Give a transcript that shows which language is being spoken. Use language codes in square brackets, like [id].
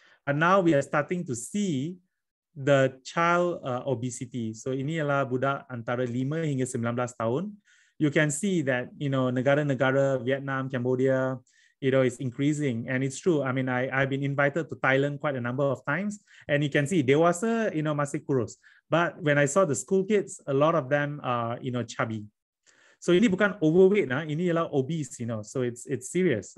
[en] And now we are starting to see the child obesity. [ms] So ini ialah budak antara 5 hingga 19 tahun. [en] You can see that, you know, negara-negara Vietnam, Cambodia, you know, is increasing. And it's true. I mean, I've been invited to Thailand quite a number of times. And you can see dewasa, you know, [ms] masih kurus. [en] But when I saw the school kids, a lot of them are, you know, chubby. So [ms] ini bukan [en] overweight, [ms] ini ialah [en] obese, you know. So it's serious.